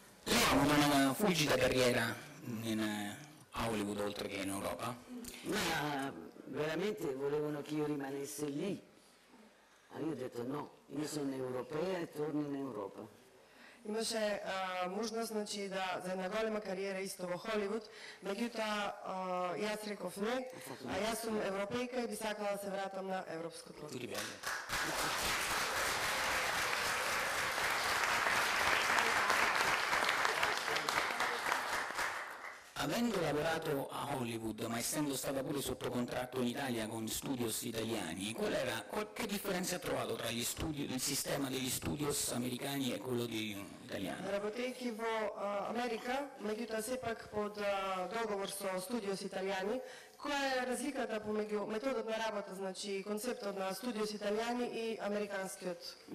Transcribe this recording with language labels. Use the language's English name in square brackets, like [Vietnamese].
[Italian] Lei ha avuto una fulgida carriera in Hollywood oltre che in Europa? Ma veramente volevano che io rimanesse lì. Ah, io ho detto no, io sono europea e torno in Europa. [Macedonian] Имаше можност значи да за една голема кариера исто во Холивуд, меѓутоа јас реков не, а јас сум европејка и би сакала да се вратам на европското тло. [Italian] Avendo lavorato a Hollywood, ma essendo stata pure sotto contratto in Italia con studios italiani, qual era, qualche differenza ha trovato tra gli studi, il sistema degli studios americani e quello italiano? [Macedonian] Работејќи во Америка, меѓутоа сепак под договор со студиос италијани, која е разликата помеѓу методот на работа, значи концептот на студиос италијани и американскиот?